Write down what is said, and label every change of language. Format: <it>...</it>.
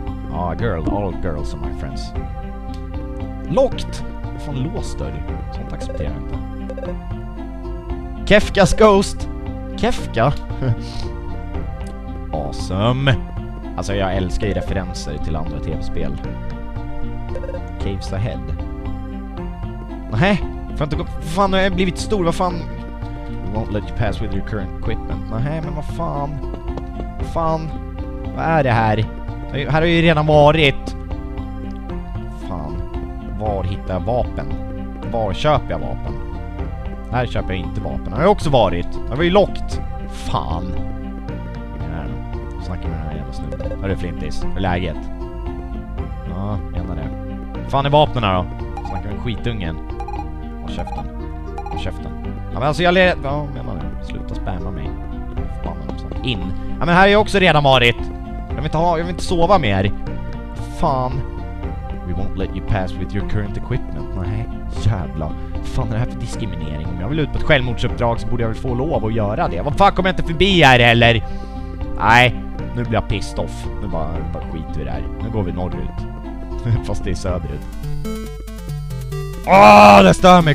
<en>Ja, girl, all girls are my friends.</en> <sv>Locked. Fan, låst dörr. Sånt accepterar jag inte. Kefkas ghost. Kefka. Awesome. Alltså jag älskar ju referenser till andra tv-spel.</sv> <en>Caves ahead.</en> <sv>Nähä. Fan, nu har jag blivit stor, vad fan?</sv> <en>Won't let you pass with your current equipment.</en> <sv>Nähä, men vad fan? Vad är det här? Här har ju redan varit. Fan. Var hittar jag vapen? Var köper jag vapen? Här köper jag inte vapen. Har jag också varit? Det var ju lockt. Fan. Snackar med den här jävla snubben. Hörru flintis, hur är läget? Ja, menar det. Fan är vapnen här då? Snackar med skitungen. Käften. Ja men alltså jag menar du? Sluta spamma mig. In. Ja men här är jag också redan varit. Jag vill inte sova mer. Fan.</sv> <en>We won't let you pass with your current equipment.</en> <sv>Nej, jävla. Fan är det här för diskriminering? Om jag vill ut på ett självmordsuppdrag så borde jag väl få lov att göra det. Vad fan, kommer jag inte förbi här eller? Nej, nu blir jag pissed off. Nu bara skiter vi där. Nu går vi norrut. Fast det är söderut. Åh, det stör mig.</sv>